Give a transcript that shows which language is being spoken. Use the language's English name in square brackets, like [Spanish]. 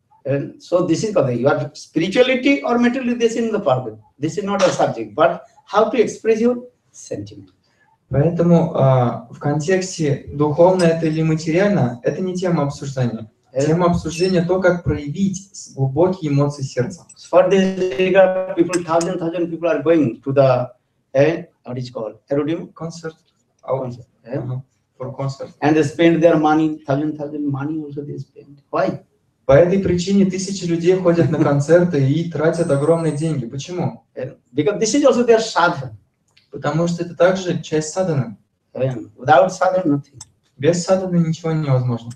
[English] And so this is called, you are spirituality or mentality, this is the problem. This is not a subject, but how to express your sentiment. [Russian] Поэтому в контексте духовно это или материально, это не тема обсуждения. Тема обсуждения то, как проявить глубокие эмоции сердца. [English] For this regard, people, thousand people are going to the, what is called, aerodium? Concert. Concert. For concert. And they spend their money, thousand money also they spend. Why? [Russian] По этой причине тысячи людей ходят на концерты и тратят огромные деньги. Почему? [English] Because this is also their sadhana. [Russian] Потому что это также часть садхана. [English] Without sadhana, nothing. [Russian] Без садхана ничего невозможно.